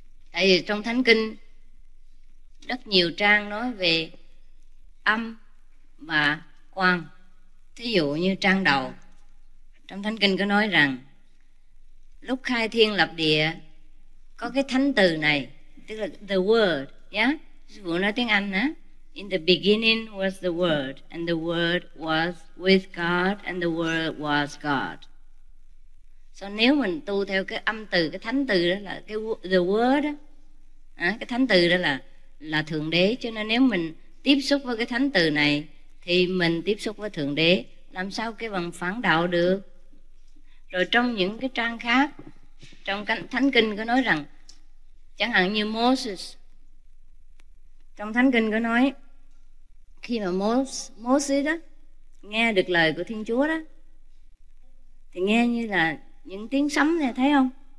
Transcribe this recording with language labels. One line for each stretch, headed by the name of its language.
Vietnamese: Tại vì trong Thánh Kinh rất nhiều trang nói về âm và quang. Thí dụ như trang đầu trong Thánh Kinh có nói rằng lúc khai thiên lập địa có cái thánh từ này, tức là
English: the word,
Vietnamese: sư phụ nói tiếng Anh hả?
English: In the beginning was the word, and the word was with God, and the word was God.
Vietnamese: So nếu mình tu theo cái âm từ, cái thánh từ đó là cái
English: the word
Vietnamese: á, cái thánh từ đó là Thượng Đế. Cho nên nếu mình tiếp xúc với cái thánh từ này thì mình tiếp xúc với Thượng Đế, làm sao cái bằng phản đạo được. Rồi trong những cái trang khác trong Thánh Kinh có nói rằng, chẳng hạn như Moses, trong Thánh Kinh có nói khi mà Moses đó nghe được lời của Thiên Chúa đó thì nghe như là những tiếng sấm nè, thấy không?